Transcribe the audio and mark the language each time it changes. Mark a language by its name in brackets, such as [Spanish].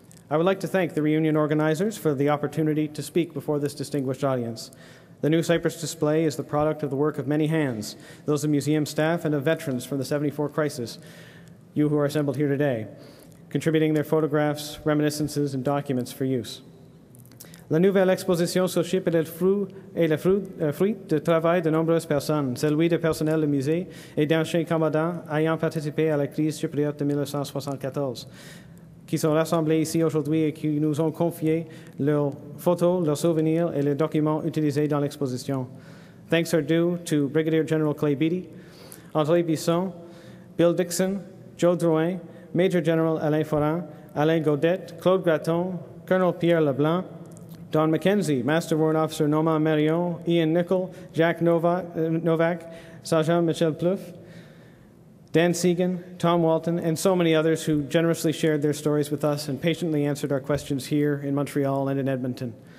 [English] I would like to thank the reunion organizers for the opportunity to speak before this distinguished audience. The new Cyprus display is the product of the work of many hands, those of museum staff and of veterans from the 74 crisis, you who are assembled here today, contributing their photographs, reminiscences, and documents for use. [French] La nouvelle exposition sur Chypre est le fruit du travail de nombreuses personnes, celui du personnel du musée et d'anciens combattants ayant participé à la crise chypriote de 1974. Qui sont rassemblés ici aujourd'hui et qui nous ont confié leurs photos, leurs souvenirs et les documents utilisés dans l'exposition. [English] Thanks are due to Brigadier General Clay Beatty, André Bisson, Bill Dixon, Joe Drouin, Major General Alain Forain, Alain Godet, Claude Graton, Colonel Pierre Leblanc, Don McKenzie, Master Warrant Officer Norman Marion, Ian Nickel, Jack Novak, Sergeant Michel Plouffe, Dan Segan, Tom Walton, and so many others who generously shared their stories with us and patiently answered our questions here in Montreal and in Edmonton.